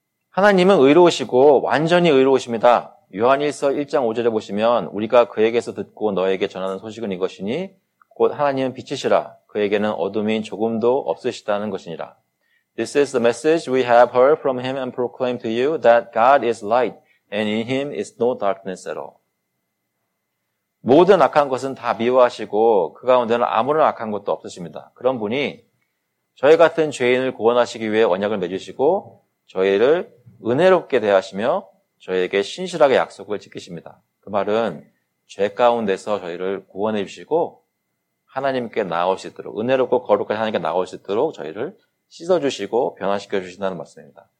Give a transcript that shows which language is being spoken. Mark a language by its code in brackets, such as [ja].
[ko] 하나님은 의로우시고 완전히 의로우십니다. 요한일서 1장 5절에 보시면 우리가 그에게서 듣고 너에게 전하는 소식은 이것이니 곧 하나님은 빛이시라 그에게는 어둠이 조금도 없으시다는 것이니라. [en] This is the message we have heard from him and proclaim to you that God is light and in him is no darkness at all. [ko] 모든 악한 것은 다 미워하시고 그 가운데는 아무런 악한 것도 없으십니다. 그런 분이 저희 같은 죄인을 구원하시기 위해 언약을 맺으시고 저희를 은혜롭게 대하시며 저희에게 신실하게 약속을 지키십니다. 그 말은 죄 가운데서 저희를 구원해 주시고 하나님께 나올 수 있도록 은혜롭고 거룩하게 하나님께 나올 수 있도록 저희를 씻어주시고 변화시켜 주신다는 말씀입니다.